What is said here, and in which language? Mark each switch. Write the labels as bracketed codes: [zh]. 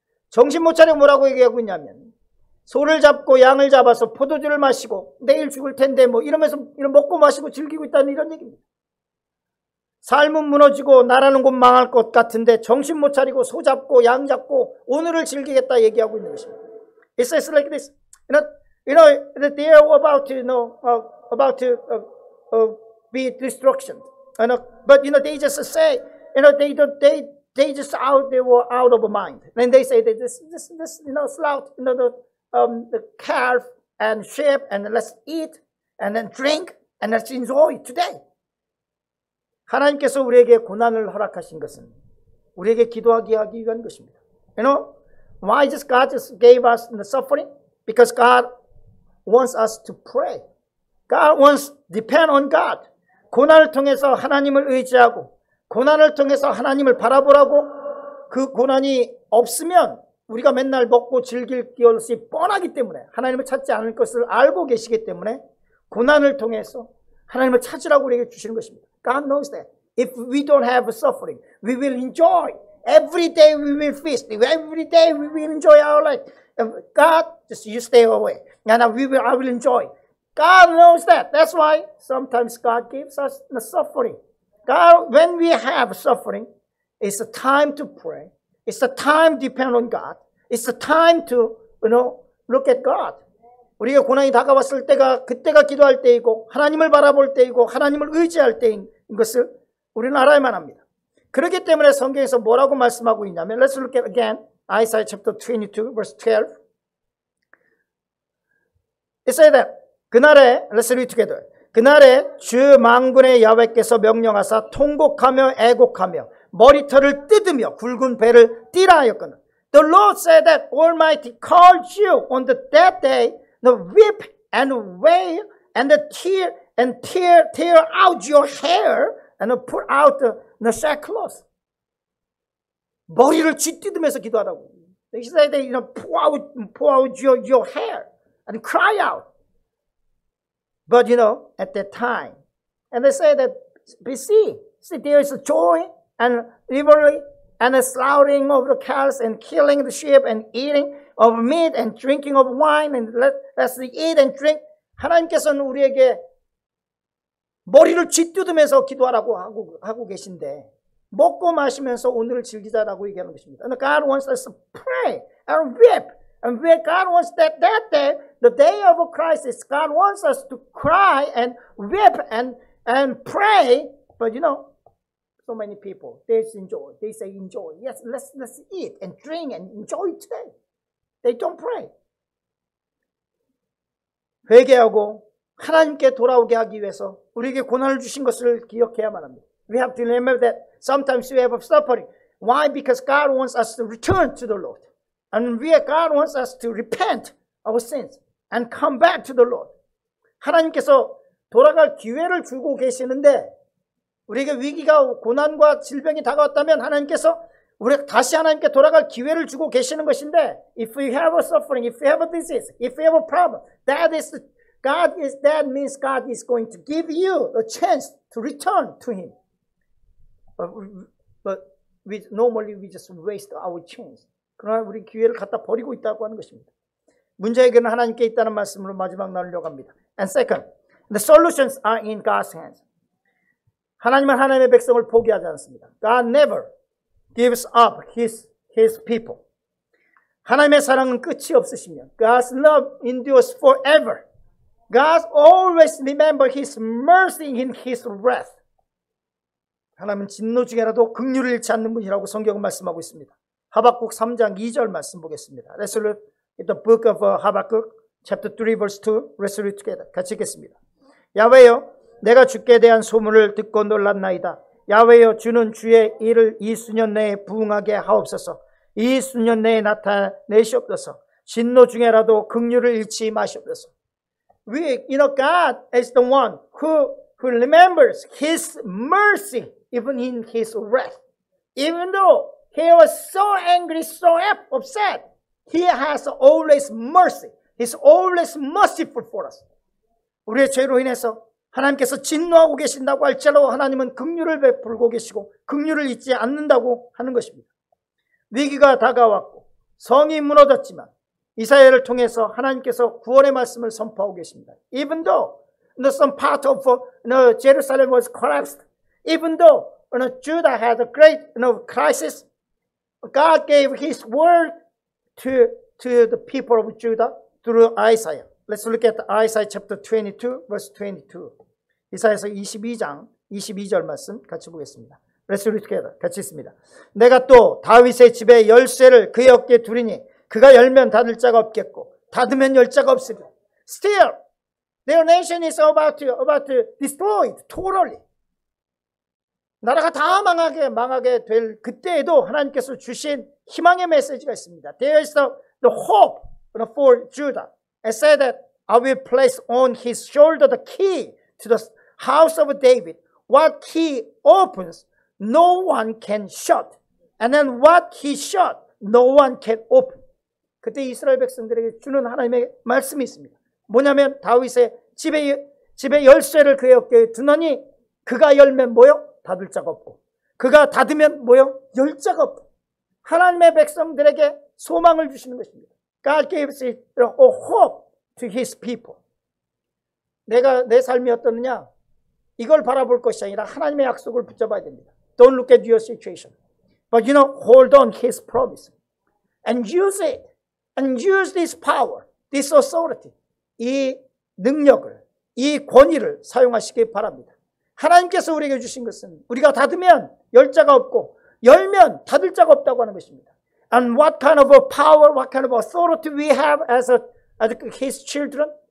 [ko] 정신 못 차리고 뭐라고 얘기하고 있냐면 소를 잡고 양을 잡아서 포도주를 마시고 내일 죽을 텐데 뭐 이러면서 이런 먹고 마시고 즐기고 있다는 이런 얘기입니다. 삶은 무너지고 나라는 곳 망할 것 같은데 정신 못 차리고 소 잡고 양 잡고 오늘을 즐기겠다 얘기하고 있는 것입니다. [en] It says like this. You know, they are about to know be destruction. But you know, they just say, you know, they were out of mind. And they say that this you know, slaughter, you know, the calf and sheep, and let's eat and then drink and let's enjoy today. [ko] 하나님께서 우리에게 고난을 허락하신 것은 우리에게 기도하게 하기 위한 것입니다. [en] You know, why does God just gave us the suffering? Because God wants us to pray. God wants depend on God. [ko] 고난을 통해서 하나님을 의지하고 고난을 통해서 하나님을 바라보라고 그 고난이 없으면 우리가 맨날 먹고 즐길 것이 뻔하기 때문에 하나님을 찾지 않을 것을 알고 계시기 때문에 고난을 통해서 하나님을 찾으라고 우리에게 주시는 것입니다. [en] God knows that if we don't have suffering, we will enjoy. Every day we will feast. Every day we will enjoy our life. If God, just you stay away. And I will enjoy. God knows that. That's why sometimes God gives us the suffering. God, when we have suffering, it's a time to pray. It's a time to depend on God. It's a time to, you know, look at God. [ko] 우리가 고난이 다가왔을 때가 그때가 기도할 때이고 하나님을 바라볼 때이고 하나님을 의지할 때인 것을 우리는 알아야만 합니다. 그렇기 때문에 성경에서 뭐라고 말씀하고 있냐면 [en] Let's look at again Isaiah chapter 22 verse 12. It says that [ko] 그날에 [en] Let's read together. [ko] 그날에 주 만군의 야훼께서 명령하사 통곡하며 애곡하며 머리털을 뜯으며 굵은 배를 띠라 하였거늘 [en] The Lord said that Almighty called you on the that day the weep and wail and the tear out your hair and put out the sackcloth. [ko] 머리를 쥐뜯으면서 기도하라고. [en] They say they you know pull out your hair and cry out. But you know at that time, and they say that see there is a joy and revelry and a slaughtering of the cows and killing the sheep and eating. Of meat and drinking of wine and let's eat and drink. [ko] 하나님께서는 우리에게 머리를 쥐뜯으면서 기도하라고 하고 계신데 먹고 마시면서 오늘을 즐기자라고 얘기하는 것입니다. [en] And God wants us to pray and weep. And God wants that day, the day of a crisis, God wants us to cry and weep and pray. But you know, so many people, they enjoy. They say enjoy. Yes, let's eat and drink and enjoy today. They don't pray. [ko] 회개하고 하나님께 돌아오게 하기 위해서 우리에게 고난을 주신 것을 기억해야만 합니다. [en] We have to remember that sometimes we have a suffering. Why? Because God wants us to return to the Lord. And God wants us to repent our sins and come back to the Lord. [ko] 하나님께서 돌아갈 기회를 주고 계시는데 우리에게 위기가 고난과 질병이 다가왔다면 하나님께서 우리가 다시 하나님께 돌아갈 기회를 주고 계시는 것인데 [en] if we have a suffering, if we have a disease, if we have a problem, that is God is that means God is going to give you a chance to return to him. But we normally we just waste our chance. [ko] 그러나 우리 기회를 갖다 버리고 있다고 하는 것입니다. 문제 해결은 하나님께 있다는 말씀으로 마지막 나누려고 합니다. [en] And second, the solutions are in God's hands. [ko] 하나님은 하나님의 백성을 포기하지 않습니다. [en] God never gives up his people. [ko] 하나님의 사랑은 끝이 없으시며 [en] God's love endures forever. God always remembers his mercy in his wrath. [ko] 하나님은 진노 중에라도 긍휼을 잃지 않는 분이라고 성경은 말씀하고 있습니다. 하박국 3장 2절 말씀 보겠습니다. [en] Resolute the book of Habakkuk chapter 3 verse 2 resolute together. [ko] 같이 읽겠습니다. 야훼여 내가 주께 대한 소문을 듣고 놀랐나이다. 야훼여 주는 주의 일을 이 수년 내에 부응하게 하옵소서. 이 수년 내에 나타내시옵소서. 진노 중에라도 긍휼을 잃지 마시옵소서. [en] We, you know, God is the one who remembers his mercy even in his wrath. Even though he was so angry, so upset, he has always mercy. He's always merciful for us. [ko] 우리의 죄로 인해서 하나님께서 진노하고 계신다고 할지라도 하나님은 긍휼을 베풀고 계시고 긍휼을 잊지 않는다고 하는 것입니다. 위기가 다가왔고 성이 무너졌지만 이사야를 통해서 하나님께서 구원의 말씀을 선포하고 계십니다. [en] Even though some part of Jerusalem was collapsed, even though Judah had a great crisis, God gave his word to the people of Judah through Isaiah. Let's look at Isaiah chapter 22, verse 22. [ko] 이사야서 22장 22절 말씀 같이 보겠습니다. [en] Let's read together. [ko] 같이 있습니다. 내가 또 다윗의 집에 열쇠를 그의 어깨에 두리니 그가 열면 닫을 자가 없겠고 닫으면 열 자가 없으리라. [en] Still, their nation is about to destroy totally. [ko] 나라가 다 망하게 될 그때에도 하나님께서 주신 희망의 메시지가 있습니다. [en] There is the hope for Judah. I said that I will place on his shoulder the key to the house of David. What he opens, no one can shut. And then what he shut, no one can open. [ko] 그때 이스라엘 백성들에게 주는 하나님의 말씀이 있습니다. 뭐냐면 다윗의 집에 열쇠를 그의 어깨에 두느니 그가 열면 뭐요? 닫을 자가 없고 그가 닫으면 뭐요? 열 자가 없고 하나님의 백성들에게 소망을 주시는 것입니다. [en] God gives a hope to his people. [ko] 내가 내 삶이 어떻느냐? 이걸 바라볼 것이 아니라 하나님의 약속을 붙잡아야 됩니다. [en] Don't look at your situation. But you know, hold on his promise. And use it. And use this power, this authority, [ko] 이 능력을, 이 권위를 사용하시기 바랍니다. 하나님께서 우리에게 주신 것은 우리가 닫으면 열 자가 없고 열면 닫을 자가 없다고 하는 것입니다. [en] And what kind of a power, what kind of authority we have as his children?